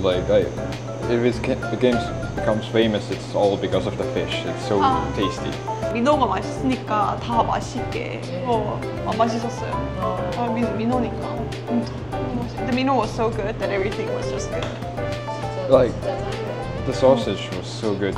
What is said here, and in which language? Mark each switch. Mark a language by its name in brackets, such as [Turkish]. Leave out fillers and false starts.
[English] Like, if the game becomes famous, it's all because of the fish. It's so tasty. [Korean] 민어가 맛있으니까 다 맛있게. 맛있었어요. 민어니까. 맛있었어요. [English] The 민어 was so good that everything was just good. 진짜, like, 진짜 the sausage was so good too.